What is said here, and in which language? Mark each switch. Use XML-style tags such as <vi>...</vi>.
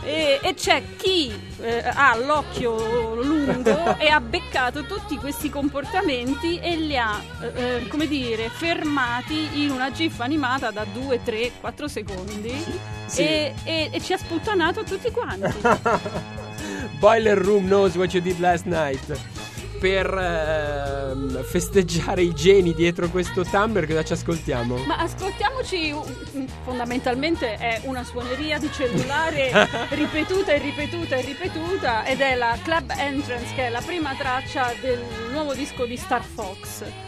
<it>E c'è chi ha l'occhio lungo e ha beccato tutti questi comportamenti e li ha come dire fermati in una gif animata da 2, 3, 4 secondi. Sì. E ci ha sputtanato tutti quanti.</it> <en>Boiler Room knows what you did last night.</en> <it>Per festeggiare i geni dietro questo Tumblr, cosa ci ascoltiamo? Ma ascoltiamoci, fondamentalmente è una suoneria di cellulare ripetuta e ripetuta e ripetuta, ed è la Club Entrance, che è la prima traccia del nuovo disco di Star Fox.</it>